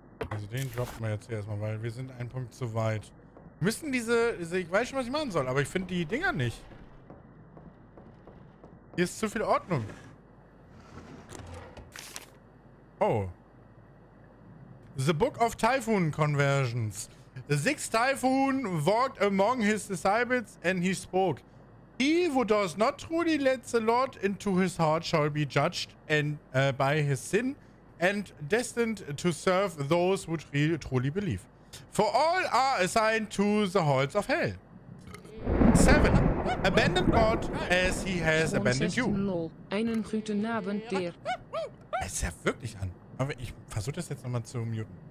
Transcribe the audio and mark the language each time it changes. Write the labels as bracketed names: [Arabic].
[German] Also den droppen wir jetzt erstmal, weil wir sind einen Punkt zu weit. Müssen diese, ich weiß schon, was ich machen soll, aber ich finde die Dinger nicht. Hier ist zu viel Ordnung. Oh. [English] The Book of Typhoon Conversions. Six Typhoon walked among his disciples and he spoke. He who does not truly let the Lord into his heart shall be judged and by his sin and destined to serve those who truly believe. For all are assigned to the halls of hell. 7. Abandon God as he has abandoned you. [German] Einen guten Abend, dir. Es ist ja wirklich an. Aber ich versuche das jetzt nochmal zu muten.